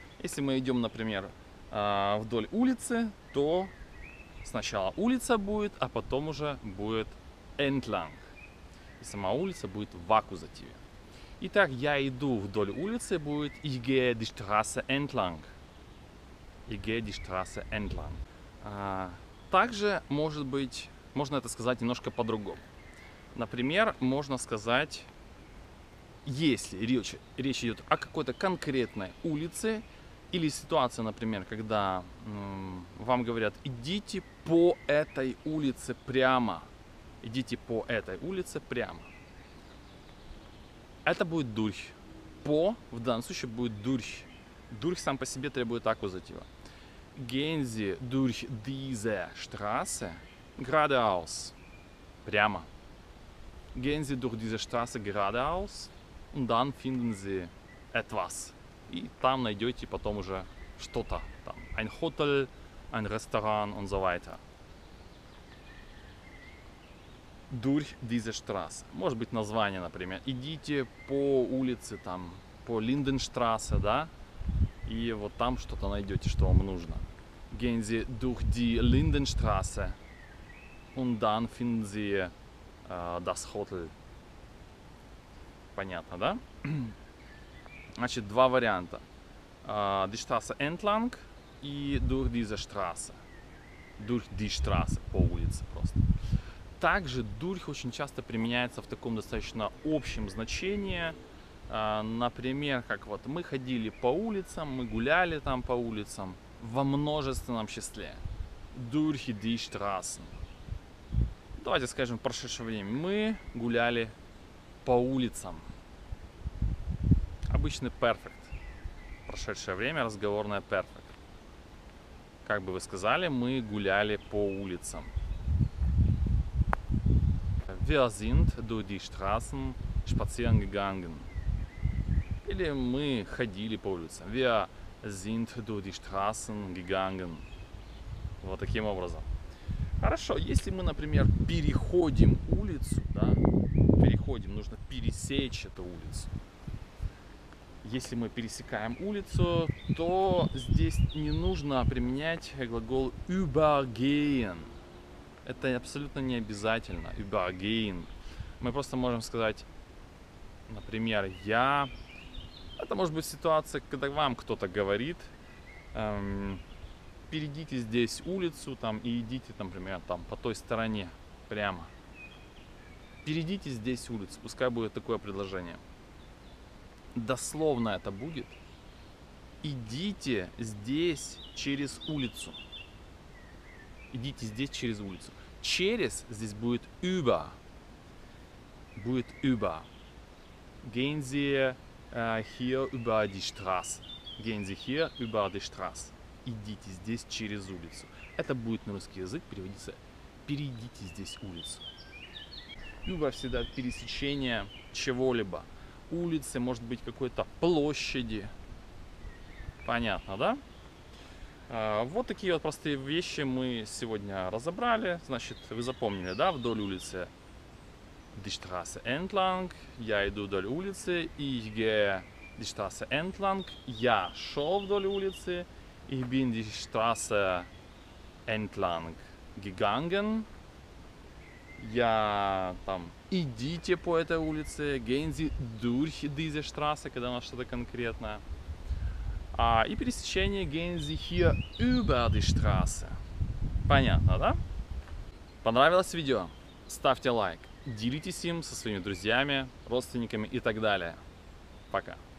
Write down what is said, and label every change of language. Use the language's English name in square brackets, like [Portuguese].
[Russian] Если мы идем, например, вдоль улицы, то сначала улица будет, а потом уже будет entlang. И сама улица будет в аккузативе. Итак, я иду вдоль улицы, будет [German] ich gehe die Straße entlang. Ich gehe die Straße entlang. [Russian] Также, может быть, можно это сказать немножко по-другому. Например, можно сказать, если речь идет о какой-то конкретной улице, или ситуация, например, когда вам говорят, идите по этой улице прямо. Идите по этой улице прямо. Это будет durch. По в данном случае будет durch. Durch сам по себе требует аккузатива. [German] Gehen Sie durch diese Straße geradeaus. [Russian] Прямо. [German] Gehen Sie durch diese Straße geradeaus. Und dann finden Sie etwas. [Russian] И там найдете потом уже что-то там. [German] Ein Hotel, ein Restaurant und so weiter. Durch diese Straße. [Russian] Может быть название, например. Идите по улице там, по Lindenstraße, да? И вот там что-то найдете, что вам нужно. [German] Gehen Sie durch die Lindenstraße und dann finden Sie das Hotel. [Russian] Понятно, да? Значит, два варианта. [German] Die Straße entlang и durch diese Straße. Durch die Straße, [Russian] по улице просто. Также durch очень часто применяется в таком достаточно общем значении. Например, как вот мы ходили по улицам, мы гуляли там по улицам во множественном числе. [German] Durch die Straße. [Russian] Давайте скажем в прошедшее время. Мы гуляли по улицам. Обычный перфект. Прошедшее время, разговорное перфект. Как бы вы сказали, мы гуляли по улицам. [German] Wir sind durch die Straßen spazieren gegangen. [Russian] Или мы ходили по улицам. [German] Wir sind durch die Straßen gegangen. [Russian] Вот таким образом. Хорошо, если мы, например, переходим улицу, да, переходим, нужно пересечь эту улицу. Если мы пересекаем улицу, то здесь не нужно применять глагол übergehen. Это абсолютно не обязательно, übergehen. Мы просто можем сказать, например, я... Это может быть ситуация, когда вам кто-то говорит, перейдите здесь улицу там, и идите, например, там, по той стороне прямо. Перейдите здесь улицу, пускай будет такое предложение. Дословно это будет «идите здесь через улицу». «Идите здесь через улицу». «Через» здесь будет «über». Будет «über». [German] «Gehen Sie hier über die Straße». «Gehen Sie hier über die Straße». [Russian] «Идите здесь через улицу». Это будет на русский язык переводиться «перейдите здесь улицу». «Über» всегда пересечение чего-либо. Улицы, может быть, какой-то площади. Понятно, да? Вот такие вот простые вещи мы сегодня разобрали. Значит, вы запомнили, да, вдоль улицы? [German] Die Straße entlang. [Russian] Я иду вдоль улицы. [German] Ich gehe die Straße entlang. [Russian] Я шел вдоль улицы. [German] Ich bin die Straße entlang gegangen. [Russian] Я там, идите по этой улице. [German] Gehen Sie durch diese Straße, [Russian] когда у нас что-то конкретное. И пересечение [German] Gehen Sie hier über die Straße. [Russian] Понятно, да? Понравилось видео? Ставьте лайк, делитесь им со своими друзьями, родственниками и так далее. Пока.